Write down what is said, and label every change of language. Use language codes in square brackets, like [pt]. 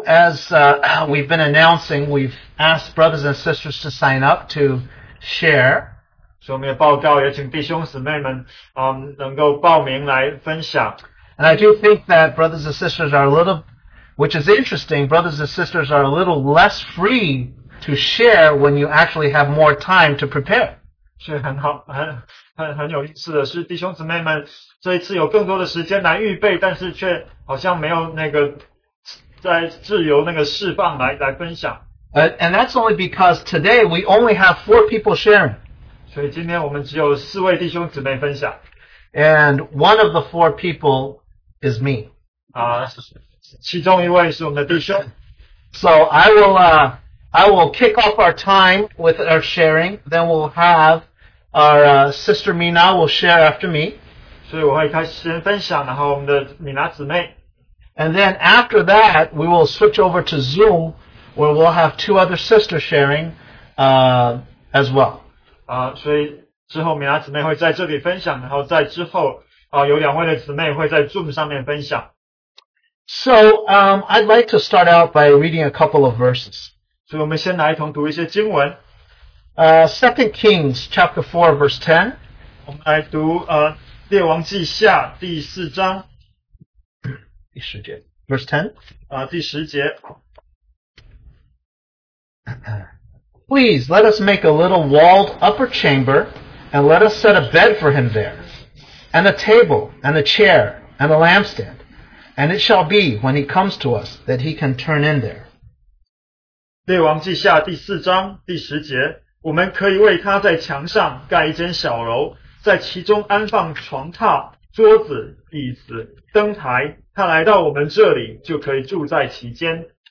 [en] as we've been announcing, we've asked brothers and sisters to sign up to share. [zh] 所以我们也报告，也请弟兄姊妹们， 能够报名来分享。 [en] And I do think that brothers and sisters are a little, which is interesting, brothers and sisters are a little less free to share when you actually have more time to prepare. [zh] 是很好，很有意思的是，弟兄姊妹们这一次有更多的时间来预备，但是却好像没有那个在自由那个释放来分享。 [en] And that's only because today we only have four people sharing. [zh] 所以今天我们只有四位弟兄姊妹分享。 [en] And one of the four people is me. [zh] 其中一位是我们的弟兄。 [en] So I will kick off our time with our sharing. Then we'll have our sister Mina will share after me. [zh] 所以我会开始先分享，然后我们的米娜姊妹。 [en] And then after that, we will switch over to Zoom, where we'll have two other sisters sharing as well. [zh] 所以之后米娜姊妹会在这里分享，然后在之后有两位的姊妹会在Zoom上面分享。 [en] So I'd like to start out by reading a couple of verses. [zh] 所以我们先来一同读一些经文。 [en] 2 Kings chapter 4 verse 10. [zh] 我们来读 列王记下第四章。第十节, [en] verse 10. [zh] 第十节。 [en] Please, let us make a little walled upper chamber, and let us set a bed for him there, and a table, and a chair, and a lampstand. And it shall be, when he comes to us, that he can turn in there. [zh] 列王记下第四章第十节，我们可以为他在墙上盖一间小楼，在其中安放床榻、桌子、椅子、灯台。他来到我们这里，就可以住在其间。